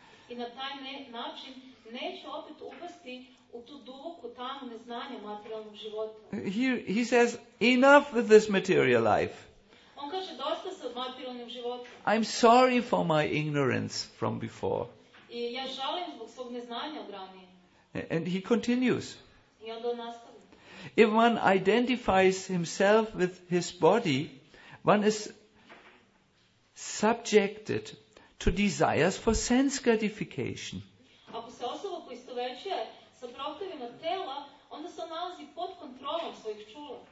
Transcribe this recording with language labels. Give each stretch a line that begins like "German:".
Serbian: I na taj način neće opet upasti u tu duboku tamu neznanja materijalnog života.
English: He says, enough with this material life.
Serbian: On kaže, dosta sa materijalnim životom.
English: I'm sorry for my ignorance from before.
Serbian: I ja žalim zbog svog neznanja od ranije.
English: And he continues.
Serbian: I onda on nastavlja.
English: If one identifies himself with his body, one is subjected to desires for sense gratification.
Serbian: Ako se osoba poistovećuje sa prohtevima tela, onda se nalazi pod kontrolom svojih čula.